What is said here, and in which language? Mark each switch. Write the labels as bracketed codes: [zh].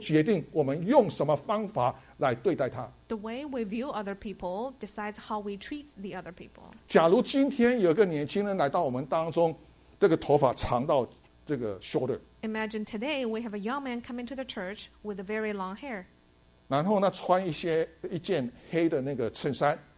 [zh] 我们怎么看待一个人，我们用什么眼光看待人，就决定我们用什么方法来对待他。 [en] The way we view other people decides how we treat the other people. [zh] 假如今天有个年轻人来到我们当中，这个头发长到这个 shoulder. [en] Imagine today we have a young man coming to the church with a very long hair. [zh] 然后呢，穿一件黑的那个衬衫。